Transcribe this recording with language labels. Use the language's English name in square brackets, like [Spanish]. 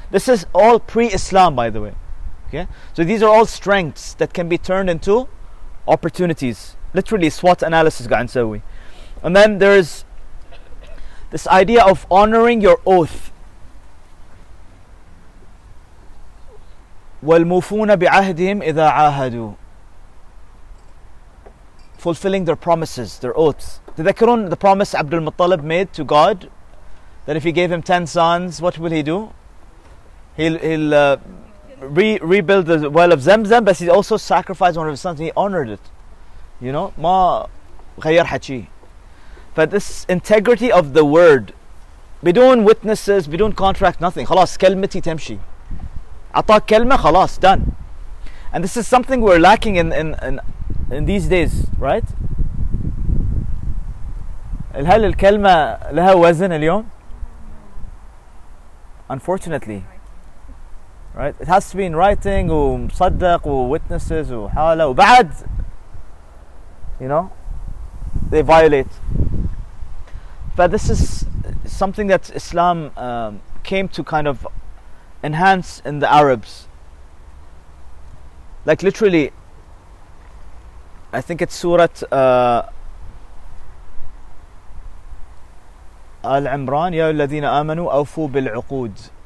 [English] This is all pre-Islam, by the way. Okay, so these are all strengths that can be turned into opportunities. Literally, SWOT analysis [Arabic] قاعد نسوي. [English] And then there's this idea of honoring your oath. [Arabic] والموفون بعهدهم إذا عاهدوا. [English] Fulfilling their promises, their oaths. تذكرون the promise Abdul Muttalib made to God, that if He gave him 10 sons, what will He do? He'll rebuild the well of Zamzam, but He also sacrificed one of His sons. He honored it. You know, [Arabic] ما غير حكي. [English] But this integrity of the word, بدون witnesses, بدون contract, nothing. [Arabic] خلاص كلمتي تمشي. عطاك كلمة خلاص done. [English] And this is something we're lacking in these days, right? [Arabic] هل الكلمة لها وزن اليوم؟ [English] Unfortunately, right? It has to be in writing, ومصدق وwitnesses [Arabic] وحالة وبعد, [English] you know, they violate. But this is something that Islam came to kind of enhance in the Arabs. Like literally, I think it's Surah Al Imran. [Arabic] يا الذين آمنوا أوفوا بالعقود.